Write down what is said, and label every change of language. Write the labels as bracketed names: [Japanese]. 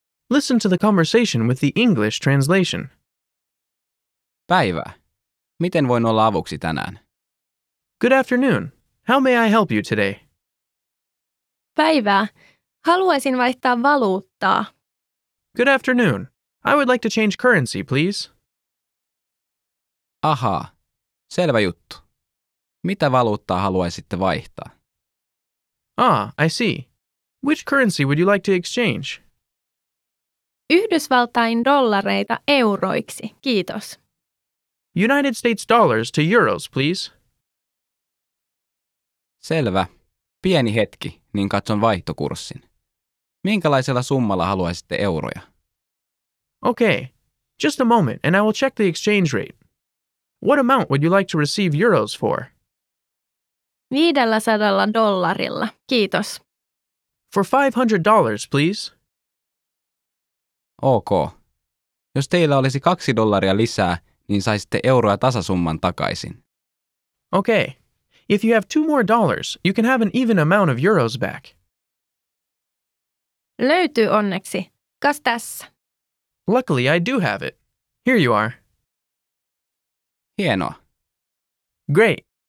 [English] Listen to the conversation with the English translation. [Finnish] Päivä. Miten voin olla avuksi tänään? [English] Good afternoon. How may I help you today? [Finnish] Päivää. Haluaisin vaihtaa valuuttaa. [English] Good afternoon. I would like to change currency, please. [Finnish] Ahaa. Selvä juttu. Mitä valuuttaa haluaisitte vaihtaa? [English] Ah, I see. Which currency would you like to exchange? [Finnish] Yhdysvaltain dollareita euroiksi, kiitos. [English] United States dollars to euros, please. [Finnish] Selvä. Pieni hetki, niin katson vaihtokurssin. Minkälaisella summalla haluaisitte euroja? [English] Okay, just a moment and I will check the exchange rate. What amount would you like to receive euros for? [Finnish] $500, kiitos. [English] For $500, please. [Finnish] Ok. Jos teillä olisi $2 lisää, niin saisitte euroa tasasumman takaisin. [English] Okay. If you have $2 more, you can have an even amount of euros back. [Finnish] Löytyy onneksi. Kas tässä. [English] Luckily, I do have it. Here you are. [Finnish] Hienoa. [English] Great.